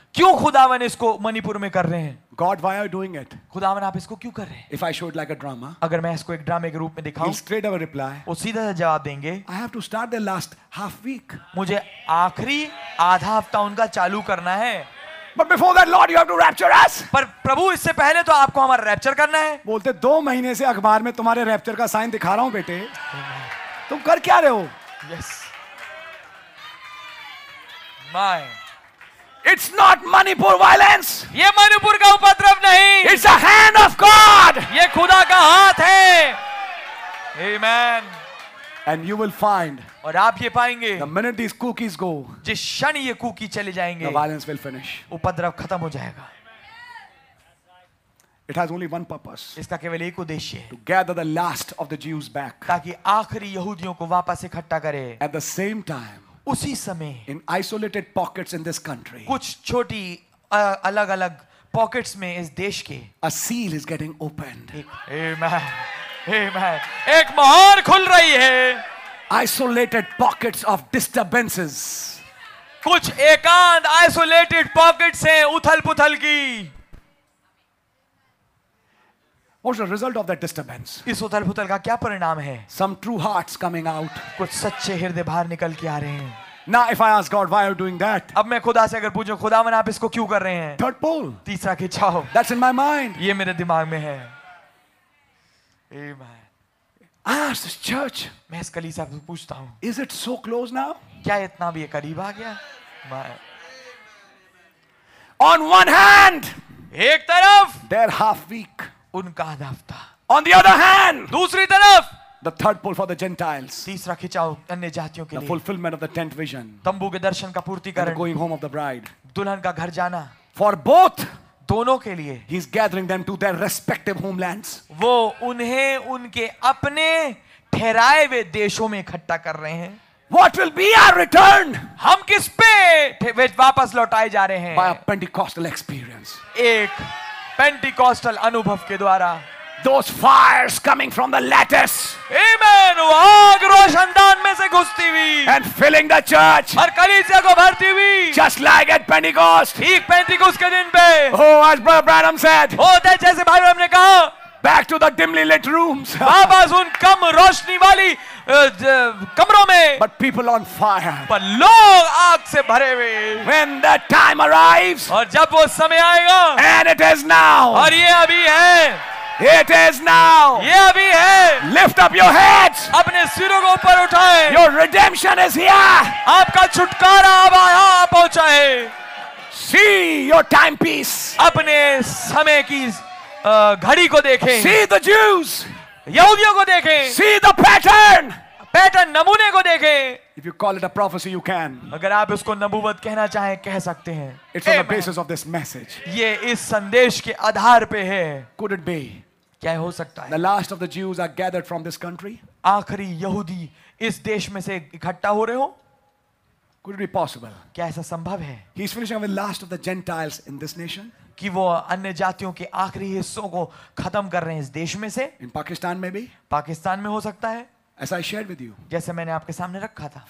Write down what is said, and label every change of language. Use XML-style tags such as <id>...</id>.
<hi>क्यों खुदावन इसको मणिपुर में कर रहे हैं?</hi> <en>God, why are you doing it?</en> <hi>खुदावन आप इसको क्यों कर रहे हैं?</hi> <en>If I showed like a drama,</en> <hi>अगर मैं इसको एक ड्रामे के रूप में दिखाऊं,</hi> <en>he'll straight away reply.</en> <hi>वो सीधा सा जवाब देंगे.</hi> <en>I have to start the last half week.</en> <hi>मुझे आखिरी आधा हफ्ता उनका चालू करना है.</hi> <en>But before that, Lord, you have to rapture us.</en> <hi>पर प्रभु इससे पहले तो आपको हमारा रैप्चर करना है. बोलते 2 महीने से अखबार में तुम्हारे रैप्चर का साइन दिखा रहा हूं बेटे. तुम कर क्या रहे हो?</hi> <en>Yes. My. It's not Manipur violence.</en> <hi>ये मणिपुर का उपद्रव नहीं.</hi> <en>It's a hand of God.</en> <hi>ये खुदा का हाथ है.</hi> <en>Amen. And you will find.</en> <hi>और आप ये पाएंगे.</hi> <en>The minute these cookies go.</en> <hi>जिस क्षण ये कुकी चले जाएंगे.</hi> <en>The violence will finish.</en> <hi>उपद्रव खत्म हो जाएगा.</hi> <en>It has only one purpose.</en> <hi>इसका केवल एक उद्देश्य है.</hi> <en>To gather the last of the Jews back.</en> <hi>ताकि आखरी यहूदियों को वापस इकट्ठा करे.</hi> <en>At the same time.</en> <hi>उसी समय.</hi> <en>In isolated pockets in this country.</en> <hi>कुछ छोटी अलग-अलग pockets में इस देश के.</hi> <en>A seal is getting opened. Amen. Amen.</en> <hi>एक मोहर खुल रही है.</hi> <en>Isolated pockets of disturbances.</en> <hi>कुछ एकांत isolated pockets हैं उथल-पुथल की.</hi> <en>What's the result of that disturbance?</en> <hi>इस उथल-पुथल का क्या परिणाम है?</hi> <en>Some true hearts coming out.</en> <hi>कुछ सच्चे हृदय बाहर निकल के आ रहे हैं.</hi> <en>Now, if I ask God, why are you doing that?</en> <hi>अब मैं खुदा से अगर पूछूं, खुदावन आप इसको क्यों कर रहे हैं?</hi> <en>Third pole.</en> <hi>तीसरा खिंचाव.</hi> <en>That's in my mind.</en> <hi>ये मेरे दिमाग में है. Amen.</hi> <en>Ask this church.</en> <hi>मैं इस कलीसिया से पूछता हूँ.</hi> <en>Is it so close now?</en> <hi>क्या इतना भी करीब आ गया? My.</hi> <en>On one hand.</en> <hi>एक तरफ.</hi> <en>They're half weak.</en> <hi>उनका आधा हफ्ता.</hi> <en>On the other hand.</en> <hi>दूसरी तरफ.</hi> <en>The third pull for the Gentiles.</en> <hi>तीसरा खिंचाव अन्य जातियों के लिए.</hi> <en>The fulfillment of the tent vision.</en> <hi>तंबू के दर्शन का पूर्तिकरण.</hi> <en>The going home of the bride.</en> <hi>दुल्हन का घर जाना.</hi> <en>For both.</en> <hi>दोनों के लिए.</hi> <en>He's gathering them to their respective homelands.</en> <hi>वो उन्हें उनके अपने ठहराए हुए देशों में इकट्ठा कर रहे हैं.</hi> <en>What will be our return?</en> <hi>हम किस पे वापस लौटाए जा रहे हैं?</hi> <en>By a Pentecostal experience.</en> <hi>एक Pentecostal अनुभव के द्वारा.</hi> <en>Those fires coming from the lattice. Amen.</en> <hi>आग रोशनदान में से घुसती हुई.</hi> <en>And filling the church.</en> <hi>और कलीसिया को भरती हुई.</hi> <en>Just like at Pentecost.</en> <hi>ठीक पेंटिकोस के दिन पे.</hi> <en>Oh, as Brother Branham said.</en> <hi>होते जैसे भाई ब्रैनम ने कहा.</hi> <en>Back to the dimly lit rooms.</en> <hi>वापस उन कम रोशनी वाली कमरों में.</hi> <en>But people on fire.</en> <hi>पर लोग आग से भरे हुए.</hi> <en>When the time arrives.</en> <hi>और जब वो समय आएगा.</hi> <en>And it is now.</en> <hi>और ये अभी है.</hi> <en>It is now.</en> <hi>ये अभी है.</hi> <en>Lift up your heads.</en> <hi>अपने सिरों को ऊपर उठाएं.</hi> <en>Your redemption is here.</en> <hi>आपका छुटकारा अब यहाँ पहुँचा है.</hi> <en>See your timepiece.</en> <hi>अपने समय की घड़ी को देखें.</hi> <en>See the Jews.</en> <hi>यहूदियों को देखें.</hi> <en>See the pattern.</en> <hi>पैटर्न नमूने को देखें.</hi> <en>If you call it a prophecy, you can.</en> <hi>अगर आप उसको नबुवत कहना चाहें, कह सकते हैं.</hi> <en>It's Amen. On the basis of this message.</en> <hi>ये इस संदेश के आधार पे है.</hi> <en>Could it be?</en> <hi>क्या हो सकता है?</hi> <en>The last of the Jews are gathered from this country.</en> <hi>आखरी यहूदी इस देश में से इकट्ठा हो रहे हो?</hi> <en>Could it be possible?</en> <hi>क्या ऐसा संभव है?</hi> <en>He is finishing with last of the Gentiles in this nation.</en> <hi>कि वो अन्य जातियों के आखरी हिस्सों को खत्म कर रहे हैं इस देश में से.</hi> <en>In Pakistan maybe.</en> <hi>पाकिस्तान में हो सकता है.</hi> <en>As I shared with you,</en> <hi>जैसे मैंने आपके सामने रखा था,</hi>